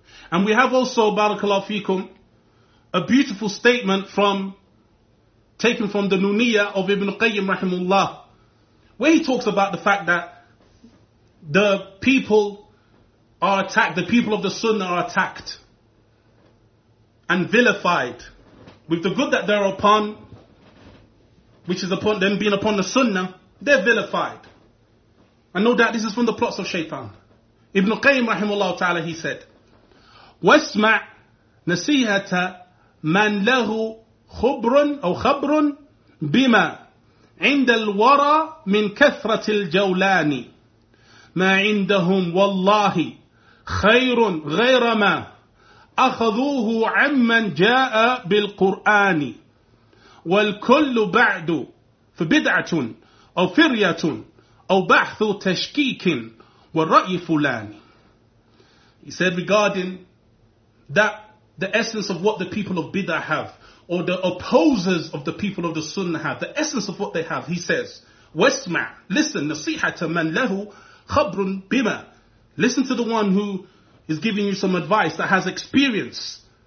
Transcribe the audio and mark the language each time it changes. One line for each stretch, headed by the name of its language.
English: And we have also, barakallahu fikum, a beautiful statement taken from the Nuniyah of Ibn Qayyim rahimullah, where he talks about the fact that the people are attacked, the people of the Sunnah are attacked and vilified with the good that they're upon, which is upon them being upon the Sunnah, they're vilified. And no doubt this is from the plots of Shaitan. Ibn Qayyim rahimahullah ta'ala, he said,
Arabic: وَاسْمَعْ نَسِيهَةَ مَنْ لَهُ خُبْرٌ أَوْ خَبْرٌ بِمَا عِنْدَ الْوَرَى مِنْ كَثْرَةِ الْجَوْلَانِ مَا عِنْدَهُمْ وَاللَّهِ خَيْرٌ غَيْرَ مَا أخذوه عمن جاء بالقرآن والكل بعد فبدعة أو فرية أو بحث تشكيك والرأي فلان.
English: He said regarding that the essence of what the people of Bid'ah have, or the opposers of the people of the Sunnah have, the essence of what they have, he says, وَاسْمَعْ listen,
Arabic: نَصِيحَةَ مَنْ لَهُ خَبْرٌ بِمَا
English: listen to the one who is giving you some advice, that has experience